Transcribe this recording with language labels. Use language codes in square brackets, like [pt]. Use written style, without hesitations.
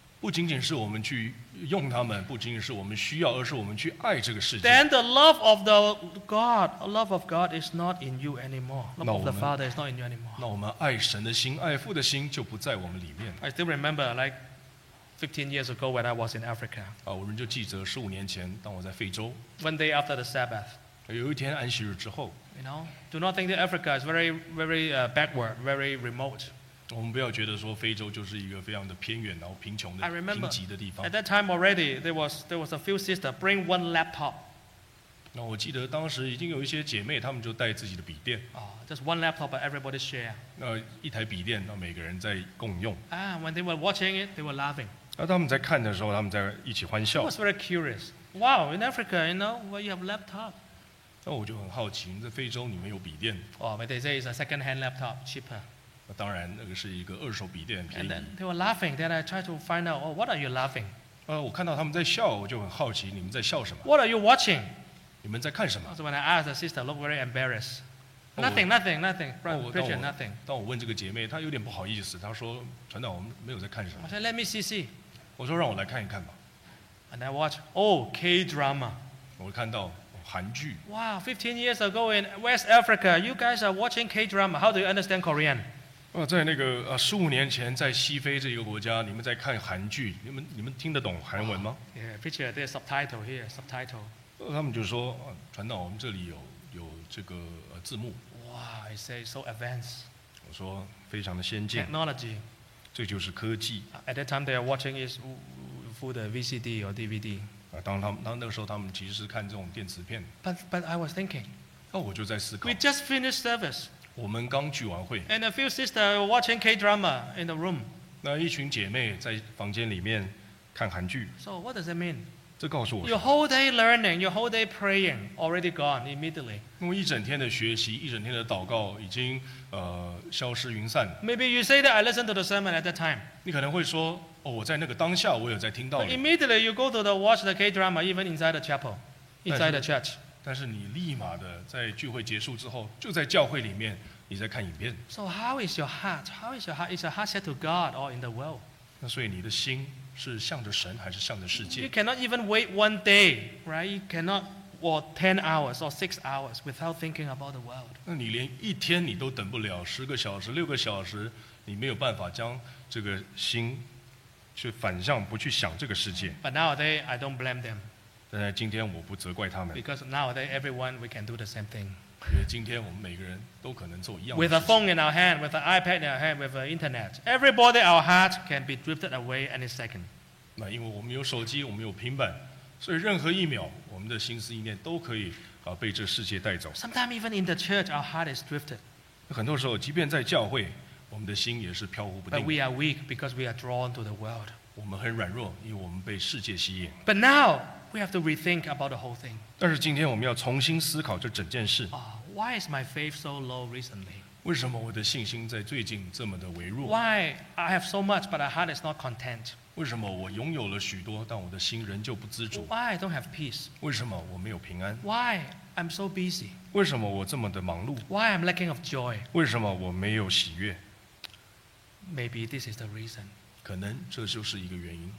[zh] 不仅仅是我们去用它们，不仅仅是我们需要，而是我们去爱这个世界。 [en] Then the love of the God, love of God is not in you anymore. Love of the Father is not in you anymore. [zh] 那我们爱神的心，爱父的心就不在我们里面。 [en] I still remember like 15 years ago when I was in Africa. [zh] 我仍旧记得15年前，当我在非洲。 [en] One day after the Sabbath. [zh] 有一天安息日之后。 [en] You know, do not think that Africa is very, very backward, very remote. [zh] 我们不要觉得说非洲就是一个非常的偏远然后贫穷的贫瘠的地方。 [en] At that time already, there was a few sisters bring one laptop. [zh] 那我记得当时已经有一些姐妹，她们就带自己的笔电。 [en] Just one laptop, but everybody share. [zh] 那一台笔电，那每个人在共用。 [en] When they were watching it, they were laughing. [zh] 那他们在看的时候，他们在一起欢笑。 [en] I was very curious. Wow, in Africa, you know, where you have laptop? [zh] 那我就很好奇，在非洲你们有笔电？ [en] But they say it's a second-hand laptop, cheaper. [zh] 当然，那个是一个二手笔电，便宜。 [en] And then they were laughing. Then I tried to find out, what are you laughing? [zh] 我看到他们在笑，我就很好奇，你们在笑什么 [en] ？What are you watching? [zh] 你们在看什么 [en] ？So when I asked the sister, looked very embarrassed. Nothing, nothing, nothing. Preacher, nothing. [zh] 当我问这个姐妹，她有点不好意思，她说：“传道，我们没有在看什么。” [en] I said, "Let me see." [zh] 我说：“让我来看一看吧。” [en] And I watched, K drama. [zh] 我看到韩剧。 [en] Wow, 15 years ago in West Africa, you guys are watching K drama. How do you understand Korean? [zh] 在那个十五年前，在西非这一个国家，你们在看韩剧，你们听得懂韩文吗 [en] ？Yeah, picture there's subtitle here, subtitle. [zh] 他们就说，传道，我们这里有这个字幕。 [en] Wow, I say so advanced. [zh] 我说非常的先进。 [en] Technology. [zh] 这就是科技。 [en] At that time, they are watching is for the VCD or DVD. [zh] 当那个时候，他们其实是看这种电磁片。 [en] But I was thinking. [zh] 我就在思考。 [en] We just finished service. [zh] 我们刚聚完会 [en] ，and a few sisters watching K drama in the room。 [zh] 那一群姐妹在房间里面看韩剧。 [en] So what does that mean？ [zh] 这告诉我 [en] ，your whole day learning, your whole day praying already gone immediately。 [zh] 我一整天的学习，一整天的祷告已经消失云散。 [en] Maybe you say that I listened to the sermon at that time。 [zh] 你可能会说，我在那个当下我有在听到。 [en] But immediately you go to the watch the K drama even inside the chapel, inside the church。 [zh] 但是你立马的在聚会结束之后，就在教会里面，你在看影片。 [en] So how is your heart? How is your heart? Is your heart set to God or in the world? [zh] 那所以你的心是向着神还是向着世界 [en] ？You cannot even wait one day, right? You cannot wait 10 hours or 6 hours without thinking about the world. [zh] 那你连一天你都等不了，十个小时、六个小时，你没有办法将这个心去反向不去想这个世界。 [en] But nowadays, I don't blame them. [zh] 但是今天我不责怪他们。 [en] Because nowadays everyone we can do the same thing. [zh] 因为今天我们每个人都可能做一样。 [en] With a phone in our hand, with an iPad in our hand, with an internet, everybody our heart can be drifted away any second. [zh] 那因为我们有手机，我们有平板，所以任何一秒，我们的心思意念都可以被这世界带走。 [en] Sometimes even in the church, our heart is drifted. [zh] 很多时候，即便在教会，我们的心也是飘忽不定。 [en] But we are weak because we are drawn to the world. [zh] 我们很软弱，因为我们被世界吸引。 [en] But now. We have to rethink about the whole thing. [zh] 但是今天我们要重新思考这整件事。 [en] Why is my faith so low recently? [zh] 为什么我的信心在最近这么的微弱 [en] ？Why I have so much but my heart is not content? [zh] 为什么我拥有了许多，但我的心仍旧不知足 [en] ？Why I don't have peace? [zh] 为什么我没有平安 [en] ？Why I'm so busy? [zh] 为什么我这么的忙碌 [en] ？Why I'm lacking of joy? [zh] 为什么我没有喜悦 [en] ？Maybe this is the reason. [zh] 可能这就是一个原因。